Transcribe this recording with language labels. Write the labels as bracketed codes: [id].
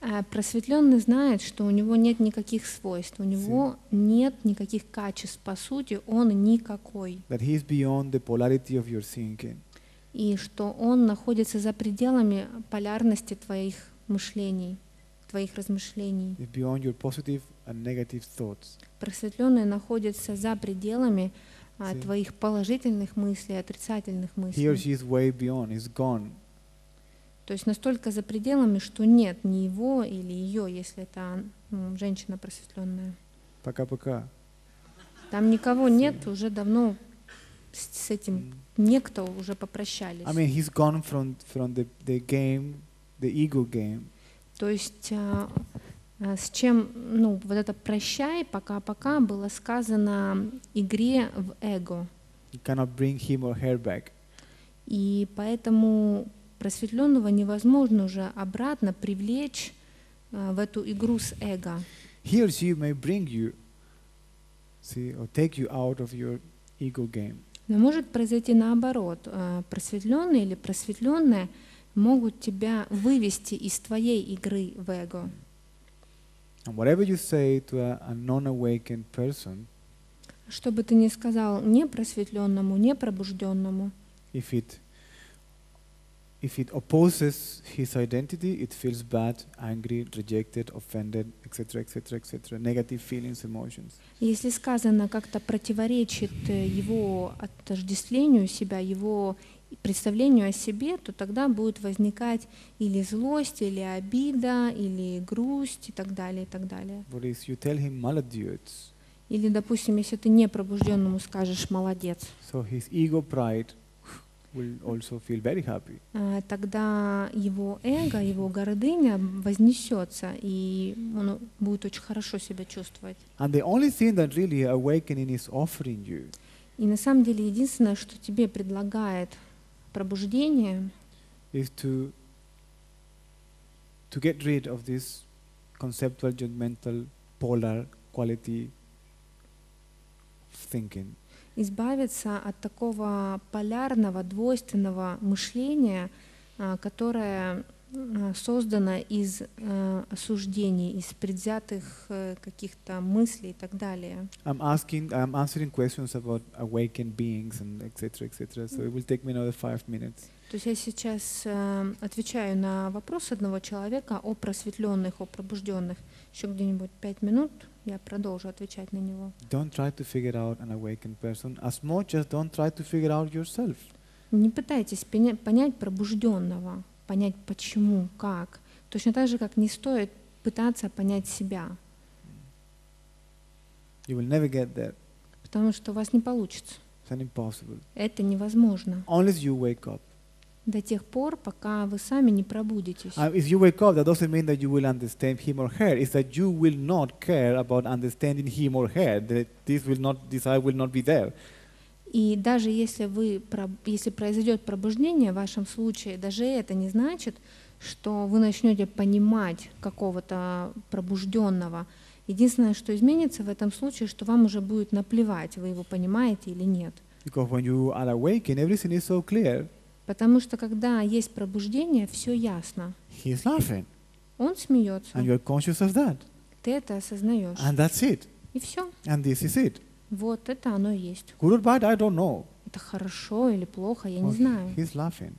[ru] Просветленный знает, что у него нет никаких свойств, у него нет никаких качеств, по сути, он никакой. [en] That he is beyond the polarity of your thinking. [ru] И что он находится за пределами полярности твоих мышлений, твоих размышлений. [en] It's beyond your positive and negative thoughts. [ru] Просветленный находится за пределами твоих положительных мыслей, отрицательных мыслей. [en] He or she is way beyond, is gone. [ru] То есть настолько за пределами, что нет ни его или ее, если это женщина просветленная. Пока-пока. Там никого нет, уже давно с этим некто уже попрощались. [en] I mean, he's gone from the game, the ego game. [ru] То есть с чем, ну, вот это «прощай, пока-пока» было сказано игре в эго. [en] You cannot bring him or her back. [ru] И поэтому просветленного невозможно уже обратно привлечь в эту игру с эго. [en] He or she may bring you, see, or take you out of your ego game. [ru] Но может произойти наоборот. Просветленные или просветленные могут тебя вывести из твоей игры в эго. [en] And whatever you say to a non-awakened person, [ru] что бы ты ни сказал непросветленному, непробужденному, [en] if it opposes his identity, it feels bad, angry, rejected, offended, etc., etc., etc., negative feelings, emotions. [ru] Если сказано как-то противоречит его отождествлению себя, его представлению о себе, то тогда будет возникать или злость, или обида, или грусть и так далее, и так далее. [en] But if you tell him молодец, [ru] или, допустим, если ты непробужденному скажешь молодец, [en] so his ego pride will also feel very happy. [ru] Тогда его эго, его гордыня вознесется, и он будет очень хорошо себя чувствовать. [en] And the only thing that really awakening is offering you. [ru] И на самом деле единственное, что тебе предлагает пробуждение, [en] is to get rid of this conceptual, judgmental, polar quality of thinking. [ru] Избавиться от такого полярного, двойственного мышления, которое создано из осуждений, из предвзятых каких-то мыслей и так далее. [en] I'm answering questions about awakened beings and etc. So it will take me another 5 minutes. [ru] То есть я сейчас отвечаю на вопрос одного человека о просветленных, о пробужденных. Еще где-нибудь 5 минут. Я продолжу отвечать на него. [en] Don't try to figure out an awakened person as much as don't try to figure out yourself. [ru] Не пытайтесь понять пробужденного, понять почему, как. Точно так же, как не стоит пытаться понять себя. [en] You will never get there. [ru] Потому что у вас не получится. [en] It's an impossible. [ru] Это невозможно. [en] Only you wake up. [ru] До тех пор, пока вы сами не пробудитесь. [en] If you wake up, that doesn't mean that you will understand him or her. It's that you will not care about understanding him or her. That this I will not be there. [ru] И даже если произойдет пробуждение в вашем случае, даже это не значит, что вы начнете понимать какого-то пробужденного. Единственное, что изменится в этом случае, что вам уже будет наплевать, вы его понимаете или нет. [en] Because when you are awakened, everything is so clear. [ru] Потому что когда есть пробуждение, все ясно. [en] He's laughing. [ru] Он смеется. [en] And you're conscious of that. [ru] Ты это осознаешь. [en] And that's it. [ru] И все. [en] And this is it. [ru] Вот это оно и есть. [en] Good or bad, I don't know. [ru] Это хорошо или плохо, я не знаю. [en] He's laughing.